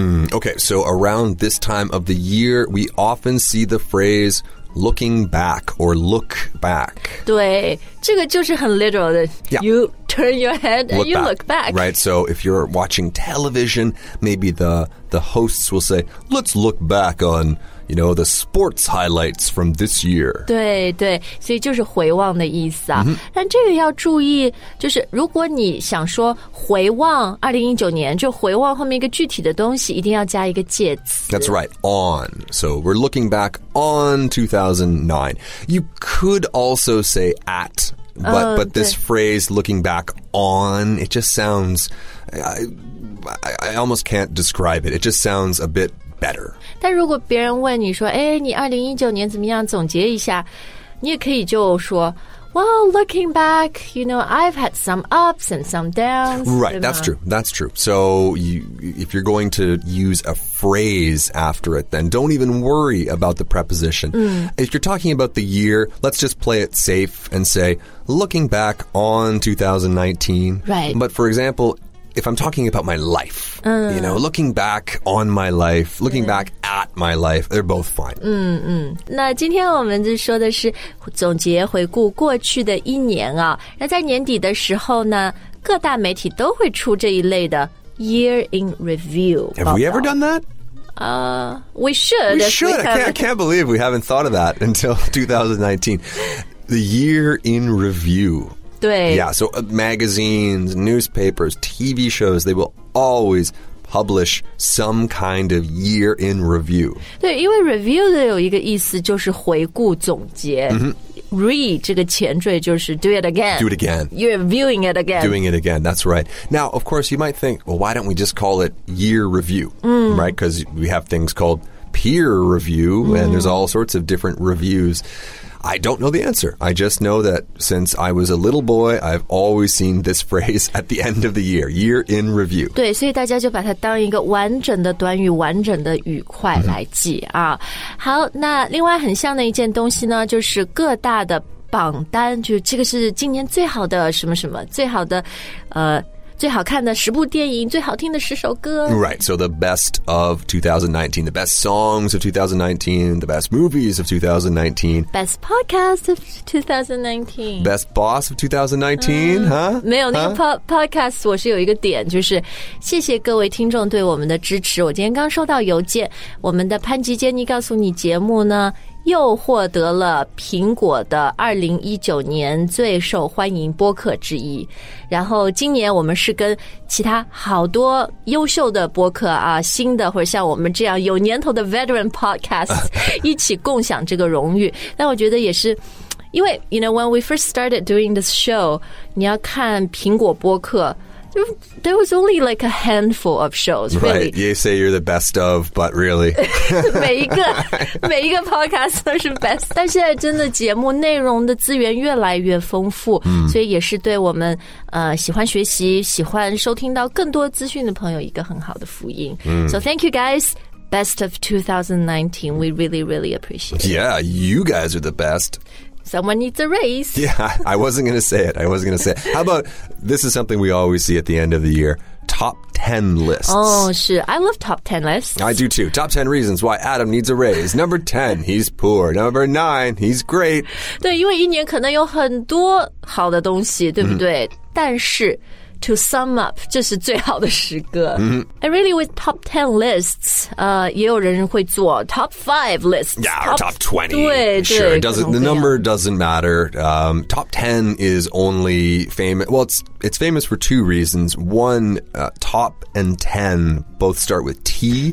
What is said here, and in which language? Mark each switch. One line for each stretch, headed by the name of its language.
English: Okay, so around this time of the year, we often see the phrase looking back or look back.
Chinese: 对这个就是很 literal 的、
English: yeah. You turn your head and you look back. Right, so if you're watching television, maybe the hosts will say, let's look back on... You know, the sports highlights from this year.
Chinese: 对对，所以就是回望的意思啊。 Mm-hmm. 但这个要注意，就是如果你想说回望2019年，就回望后面一个具体的东西，一定要加一个介词。
English: That's right, on. So we're looking back on 2009. You could also say at, but this phrase, looking back on, it just sounds, I almost can't describe it. It just sounds a bit... Better.
Chinese: 但如果别人问你说哎，你2019年怎么样总结一下你也可以就说
English: Well, looking back, you know, I've had some ups and some downs Right, that's true, that's true So if you're going to use a phrase after it then don't even worry about the preposition、 mm. If you're talking about the year let's just play it safe and say looking back on 2019 Right But for example,If I'm talking about my life,、嗯、 you know, looking back on my life, looking back at my life, they're both fine.
Chinese: 那今天我们就说的是总结回顾过去的一年啊。那在年底的时候呢，各大媒体都会出这一类的
English: year in review
Chinese: 报道。
English: Have we ever done that? We should. We should. I can't believe we haven't thought of that until 2019. The year in review. Yeah, so magazines, newspapers, TV shows, they will always publish some kind of year in review.
Chinese: 对，因为 review 的有一个意思就是回顾总结。 Re 这个前缀就是
English: do it again. Do it again. You're viewing it again. Doing it again, that's right. Now, of course, you might think, well, why don't we just call it year review?、 Mm. Right, because we have things called peer review、mm. and there's all sorts of different reviews. I don't know the answer. I just know that since I was a little boy, I've always seen this phrase at the end of the year, year in review.
Chinese: 对，所以大家就把它当一个完整的短语、完整的语块来记啊。好，那另外很像的一件东西呢，就是各大的榜单，就这个是今年最好的什么什么，最好的，最好看的十部电影，最好听的十首歌。
English: Right, so the best of 2019, the best songs of 2019, the best movies of 2019. Best podcast of 2019. Best boss of 2019, huh?
Chinese: 没有那个 podcast, 我是有一个点，就是谢谢各位听众对我们的支持。我今天刚收到邮件，我们的潘吉杰尼告诉你节目呢。又获得了苹果的2019年最受欢迎播客之一。然后今年我们是跟其他好多优秀的播客啊，新的或者像我们这样有年头的
English: veteran podcast
Chinese: 一起共享这个荣誉。但我觉得也是因为
English: you know, when we first started doing this show,
Chinese: 你要看苹果播客
English: There was only like a handful of shows, really. Right. You say you're the best of, but really.
Chinese: 每一个 podcast 都是 best. 但现在真的节目内容的资源越来越丰富，所以也是对我们喜欢学习、喜欢收听到更多资讯的朋友一个很好的福音。
English: So thank you guys. Best of 2019. We really, really appreciate it. Yeah, you guys are the best. Someone needs a raise. Yeah, I wasn't going to say it. How about, this is something we always see at the end of the year, top 10 lists. Oh, sure. I love top 10 lists. I do too. Top 10 reasons why Adam needs a raise. Number 10, he's poor. Number 9, he's great.
Chinese: 对，因为一年可能有很多好的东西，对不对？但是
English: to sum up,
Chinese: 这是最好的时刻。
English: And really with top 10 lists,
Chinese: 也有人会做
English: top 5 lists. Yeah, or top 20.
Chinese: 对,
English: sure, the number doesn't matter. Top 10 is only famous. Well, it's famous for two reasons. One, top and 10 both start with T.